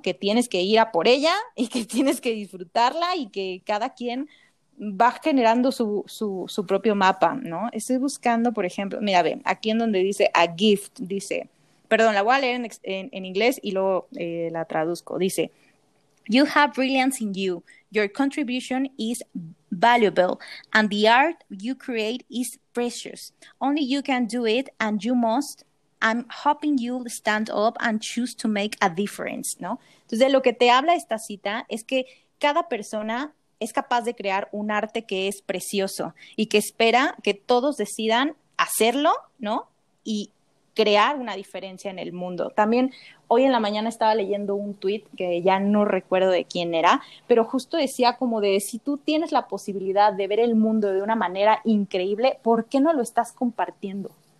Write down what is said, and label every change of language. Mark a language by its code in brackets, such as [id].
[es] Que tienes que ir a por ella y que tienes que disfrutarla y que cada quien va generando su propio mapa, ¿no? Estoy buscando, por ejemplo, mira, ve, aquí en donde dice a gift, dice, perdón, la voy a leer en inglés y luego la traduzco. [en] Dice, You have brilliance in you. Your contribution is valuable and the art you create is precious. Only you can do it and you must. I'm hoping you'll stand up and choose to make a difference, ¿no? [es] Entonces, lo que te habla esta cita es que cada persona es capaz de crear un arte que es precioso y que espera que todos decidan hacerlo, ¿no? Y crear una diferencia en el mundo. También hoy en la mañana estaba leyendo un tuit que ya no recuerdo de quién era, pero justo decía como de si tú tienes la posibilidad de ver el mundo de una manera increíble, ¿por qué no lo estás compartiendo?